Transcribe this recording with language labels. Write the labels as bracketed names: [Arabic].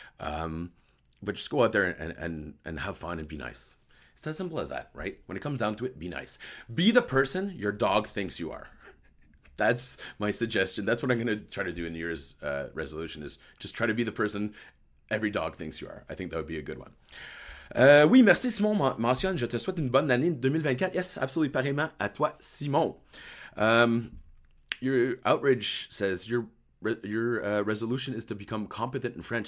[English] But just go out there and have fun and be nice. It's as simple as that, right? When it comes down to it, be nice. Be the person your dog thinks you are. That's my suggestion. That's what I'm going to try to do in New Year's resolution, is just try to be the person every dog thinks you are. I think that would be a good one. [French] Oui, merci Simon. Mentionne, je te souhaite une bonne année 2024. [English] Yes, absolutely, [French] pareillement à toi, Simon. [English] Your outrage says your resolution is to become competent in French.